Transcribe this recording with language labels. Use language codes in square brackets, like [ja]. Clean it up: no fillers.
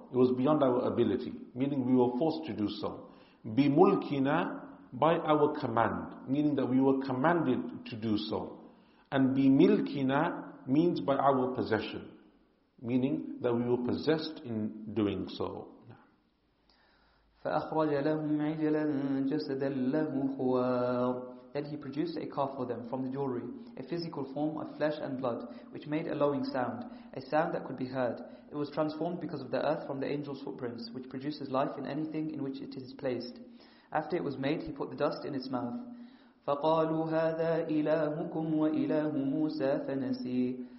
[en] It was beyond our ability, meaning we were forced to do so. Bimulkina, by our command, meaning that we were commanded to do so. And bimilkina means by our possession, meaning that we were possessed in doing so. [ar] فأخرج لهم عجلا جسدا له خوار. [en] Then he produced a calf for them from the jewelry, a physical form of flesh and blood, which made a lowing sound, a sound that could be heard. It was transformed because of the earth from the angel's footprints, which produces life in anything in which it is placed. After it was made, he put the dust in its mouth. [ar] فَقَالُوا هَذَا إِلَهُكُمْ وَإِلَهُ مُوسَى فَنَسِي.